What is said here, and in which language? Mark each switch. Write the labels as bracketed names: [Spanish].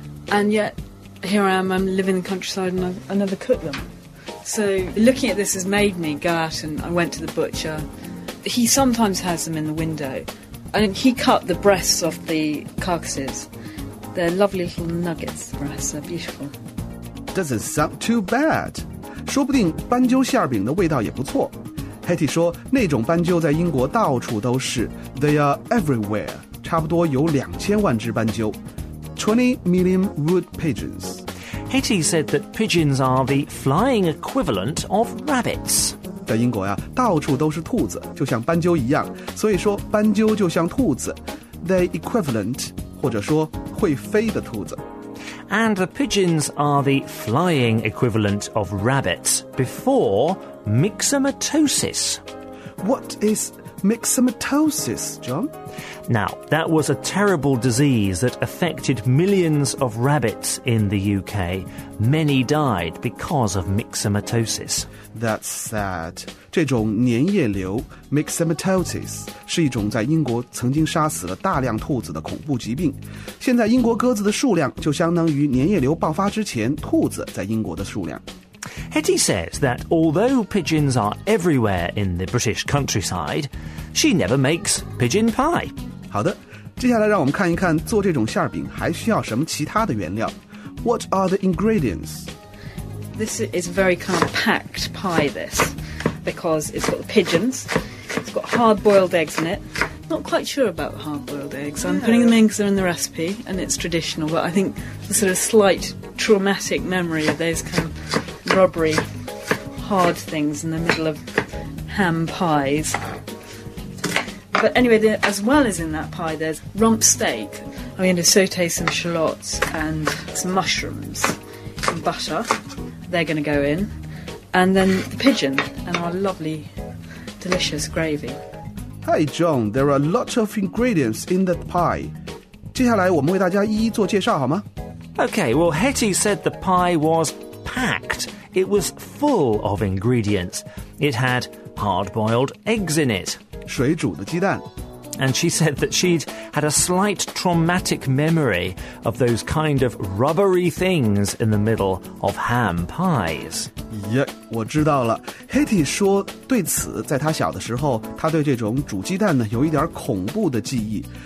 [English] And yet, here I am, I'm living in the countryside and I never cook them. So looking at this has made me go out and I went to the butcher. He sometimes has them in the window. And he cut the breasts off the carcasses. They're lovely little nuggets, the breasts, they're beautiful. Doesn't sound too bad. [Chinese] 说不定斑鸠馅饼的味道也不错。 Hattie 说那种斑鸠在英国到处都是。 [English] They are everywhere. [Chinese] 差不多有2000万只斑鸠。 [English] 20 million wood pigeons. Hattie said that pigeons are the flying equivalent of rabbits. [Chinese] 在英国呀、啊、到处都是兔子就像斑鸠一样。所以说斑鸠就像兔子。 [English] They equivalent, [Chinese] 或者说会飞的兔子。 [English] And the pigeons are the flying equivalent of rabbits before myxomatosis. What is myxomatosis, John? Now, that was a terrible disease that affected millions of rabbits in the UK. Many died because of myxomatosis. That's sad. [Chinese] 这种粘液瘤 myxomatosis 是一种在英国曾经杀死了大量兔子的恐怖疾病。现在英国鸽子的数量就相当于粘液瘤爆发之前兔子在英国的数量。 [English] Hattie says that although pigeons are everywhere in the British countryside, she never makes pigeon pie. [Chinese] 好的，接下来让我们看一看做这种馅饼还需要什么其他的原料。 [English] What are the ingredients? This is a very kind of packed pie, this, because it's got the pigeons, it's got hard-boiled eggs in it. Not quite sure about hard-boiled eggs. I'm putting them in because they're in the recipe and it's traditional, but I think the sort of slight traumatic memory of those kind of... rubbery hard things in the middle of ham pies. But anyway, there, as well as in that pie, there's rump steak. I'm going to saute some shallots and some mushrooms and butter. They're going to go in. And then the pigeon and our lovely, delicious gravy. Hi, John. There are a lot of ingredients in that pie. [Chinese] 接下来我们为大家一一做介绍好吗? [English] Okay, well, Hattie said the pie was packed. It was full of ingredients. It had hard-boiled eggs in it. [Chinese] 水煮的鸡蛋。 [English] And she said that she'd had a slight traumatic memory of those kind of rubbery things in the middle of ham pies. [Chinese] Yeah, 我知道了。 Hattie 说对此在她小的时候她对这种煮鸡蛋呢有一点恐怖的记忆。